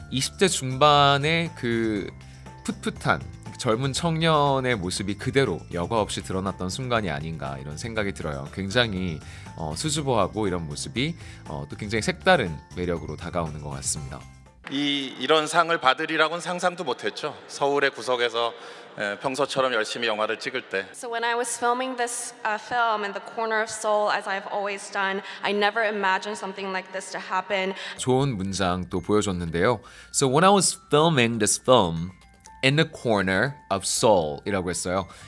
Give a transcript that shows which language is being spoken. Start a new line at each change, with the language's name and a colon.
Korean: 20대 중반의 그 풋풋한 젊은 청년의 모습이 그대로 여과 없이 드러났던 순간이 아닌가 이런 생각이 들어요. 굉장히 수줍어하고 이런 모습이 또 굉장히 색다른 매력으로 다가오는 것 같습니다. 이런 상을 받으리라고는 상상도 못했죠. 서울의 구석에서 평소처럼 열심히 영화를 찍을 때.
English: So when I was filming this film in the corner of Seoul, as I've always done, I never imagined something like this to happen.
Korean: 좋은 문장 또 보여줬는데요.
English: So when I was filming this film in the corner of Seoul이라고
Korean: 했어요.